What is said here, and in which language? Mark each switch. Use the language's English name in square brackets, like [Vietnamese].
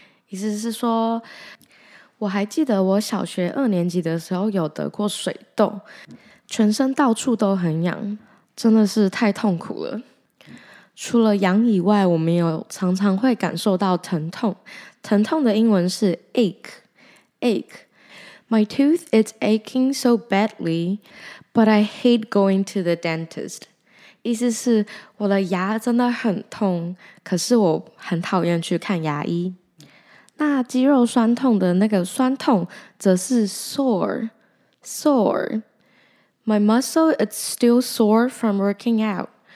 [Chinese] 意思是说，我还记得我小学二年级的时候有得过水痘，全身到处都很痒。真的是太痛苦了。除了痒以外，我们有常常会感受到疼痛。疼痛的英文是 ache, [English] ache. My tooth is aching so badly, but I hate going to the dentist. [Chinese] 意思是我的牙真的很痛，可是我很讨厌去看牙医。那肌肉酸痛的那个酸痛则是 sore, [English] sore. My muscle is still sore from working out.